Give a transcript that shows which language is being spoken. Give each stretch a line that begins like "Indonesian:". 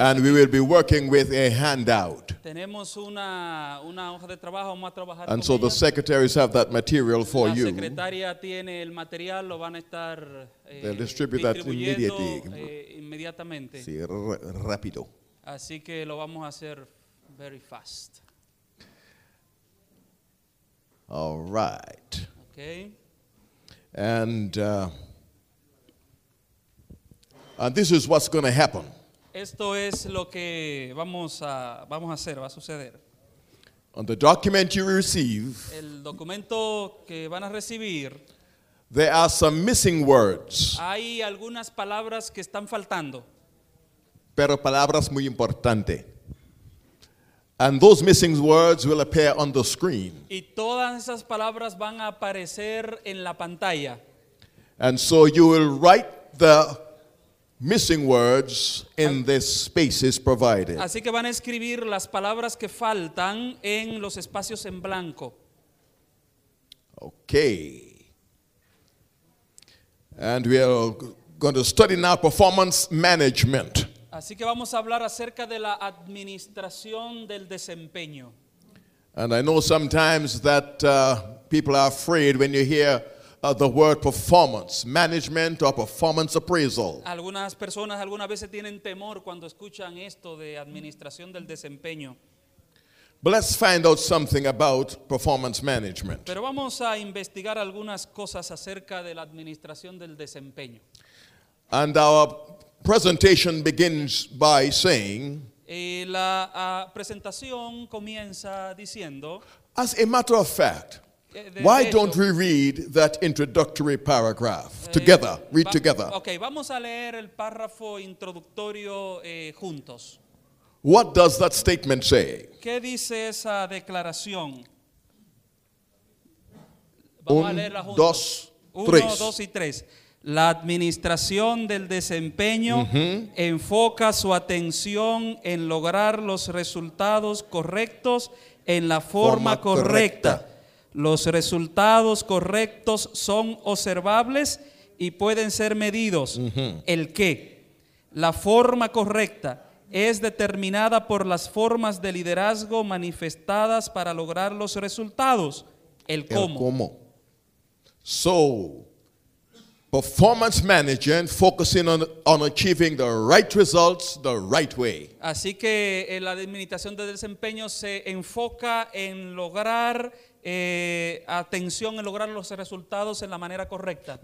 English: And we will be working with a handout.
Spanish: Tenemos una hoja de trabajo, vamos a trabajar.
English: And so the secretaries have that material for you.
Spanish: La secretaria tiene el material, lo van a estar distribuyendo.
English: They'll distribute that immediately.
Spanish: Inmediatamente. Sí, rápido. Así que lo vamos a hacer
English: very fast. All right. Okay. And this is what's going to happen.
Spanish: Esto es lo que vamos a hacer, va a suceder.
English: On the document you receive,
Spanish: el documento que van a recibir,
English: there are some missing words.
Spanish: Hay algunas palabras que están faltando. Pero palabras muy importantes.
English: And those missing words will appear on the screen.
Spanish: Y todas esas palabras van a aparecer en la pantalla.
English: And so you will write the missing words in the spaces provided.
Spanish: Así que van a escribir las palabras que faltan en los espacios en blanco.
English: Okay. And we are going to study now performance management.
Spanish: Así que vamos a hablar acerca de la administración del desempeño.
English: And I know sometimes that people are afraid when you hear the word performance management or performance appraisal.
Spanish: Algunas personas algunas veces tienen temor cuando escuchan esto de administración del desempeño.
English: But let's find out something about performance management.
Spanish: Pero vamos a investigar algunas cosas acerca de la administración del desempeño.
English: And our presentation begins by saying,
Spanish: la presentación comienza diciendo,
English: as a matter of fact, why don't we read that introductory paragraph together? Read together. Okay,
Spanish: vamos a leer el párrafo introductorio juntos.
English: What does that statement say?
Spanish: ¿Qué dice esa declaración? Vamos a leerla juntos. Uno, dos y tres. La administración del desempeño enfoca su atención en lograr los resultados correctos en la forma correcta. Los resultados correctos son observables y pueden ser medidos. El qué. La forma correcta es determinada por las formas de liderazgo manifestadas para lograr los resultados. El cómo. El cómo.
English: So, performance management focusing on achieving the right results the right way.
Spanish: Así que la administración de desempeño se enfoca en lograr atención en lograr los resultados en la manera correcta.